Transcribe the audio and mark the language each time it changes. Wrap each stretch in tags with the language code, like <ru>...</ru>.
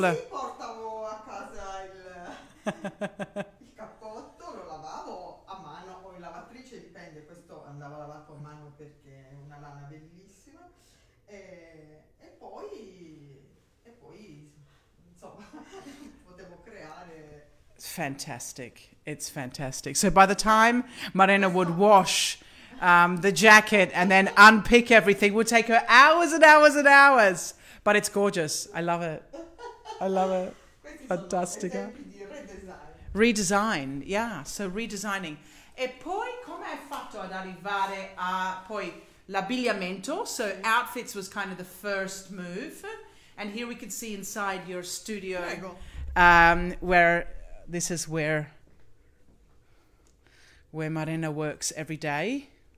<it>Sì, portavo a casa il cappotto, lo lavavo a mano o in lavatrice, dipende, questo andava lavato a mano perché è una lana bellissima, e poi insomma potevo creare.</it> <en>Fantastic. It's fantastic. So by the time Marina would wash the jacket and then unpick everything, it would take her hours and hours and hours. But it's gorgeous. I love it. I love it. Fantastica. Redesign. Yeah. So redesigning.</en> <it>E poi come hai fatto ad arrivare a poi l'abbigliamento?</it> <en>So outfits was kind of the first move. And here we can see inside your studio where this is where Marina works every day.</en>